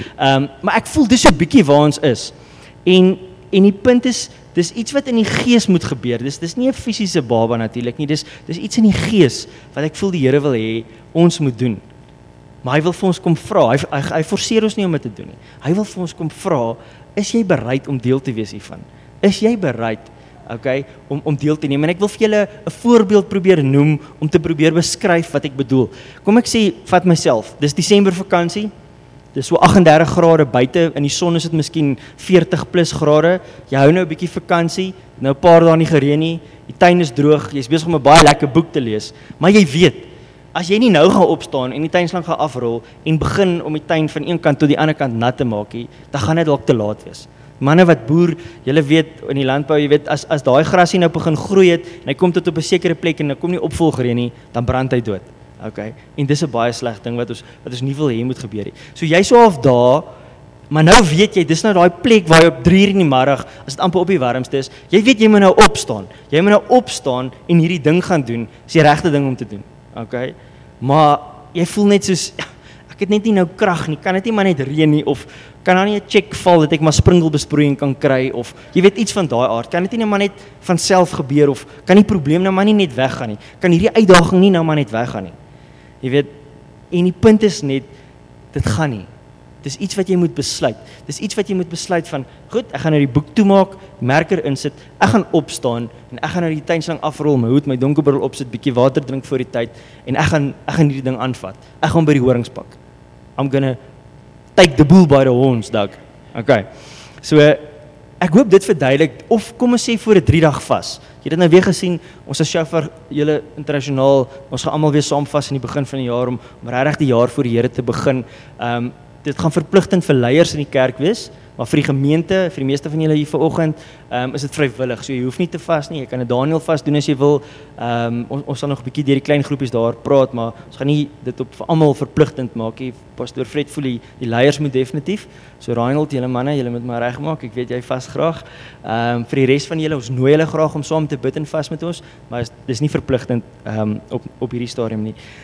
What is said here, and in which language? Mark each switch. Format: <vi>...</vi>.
<af>Maar ek voel dis so bietjie waar ons is. En die punt is, dis iets wat in die gees moet gebeur, dis nie 'n fysiese baba natuurlik nie, dis iets in die gees, wat ek voel die Here wil hê, ons moet doen. Maar hy wil vir ons kom vra, hy forceer ons nie om dit te doen nie, hy wil vir ons kom vra, is jy bereid om deel te wees hiervan? Is jy bereid, okay, om deel te neem? En ek wil vir julle een voorbeeld probeer noem, om te probeer beskryf wat ek bedoel. Kom ek sê, vat myself, dis December vakantie, dis so 38 grade buite, in die son is dit miskien 40 plus grade, jy hou nou 'n bietjie vakantie, nou 'n paar dae nie gereën nie, die tuin is droog, jy is besig om 'n baie lekker boek te lees, maar jy weet, as jy nie nou gaan opstaan en die tuinslang gaan afrol, en begin om die tuin van een kant tot die ander kant nat te maak, dan gaan dit dalk te laat wees. Manne wat boer, julle weet, in die landbou, jy weet, as daai gras nie nou begin groei het, en hy kom tot op 'n sekere plek en hy kom nie opvolger nie, dan brand hy dood. Okay, en dis 'n baie sleg ding wat ons nie wil hê moet gebeur nie. So jy sou half daar, maar nou weet jy, dis nou daai plek waar jy op 3 uur in die middag, as dit amper op die warmste is, jy weet jy moet nou opstaan. Jy moet nou opstaan en hierdie ding gaan doen, is die regte ding om te doen. Okay? Maar jy voel net soos ek het net nie nou krag nie. Kan dit nie maar net reën nie of kan daar nie 'n check val dat ek maar sprinkelbesproeiing kan kry of jy weet iets van daai aard. Kan dit nie maar net van self gebeur of kan die probleem nou maar nie net weggaan nie? Kan hierdie uitdaging nie nou maar net weggaan nie? Jy weet, en die punt is net, dit gaan nie. Dis iets wat jy moet besluit. Dis iets wat jy moet besluit van, goed, ek gaan nou die boek toemaak, merker insit, ek gaan opstaan, en ek gaan nou die tuinslang afrol, my hoed, my donkerbril opsit, bietjie water drink voor die tyd, en ek gaan hierdie ding aanvat. Ek gaan by die horings pak.</af> <en>I'm gonna take the bull by the horns, Doug.</en> <af>Okay, so, ek hoop dit verduidelik, of kom ons sê voor 'n 3-dag vas. Jy het nou weer gesien, ons is chauffeur, julle internasionaal, ons gaan allemaal weer saam vas in die begin van die jaar, om regtig die jaar voor die Here te begin. Dit gaan verpligtend vir leiers in die kerk wees, maar vir die gemeente, vir die meeste van julle hier vanoggend, is dit vrywillig, so jy hoef nie te vas nie, jy kan 'n Daniel vas doen as jy wil, ons sal nog 'n bietjie deur die klein groepies daar praat, maar ons gaan nie dit op allemaal verpligtend maak, jy, pastoor Fred voel die leiers moet definitief, so Reinhold, julle manne, julle moet maar reg maak, ek weet jy vas graag, vir die rest van julle, ons nooi julle graag om saam te bid en vas met ons, maar dis nie verpligtend op hierdie stadium nie,</af>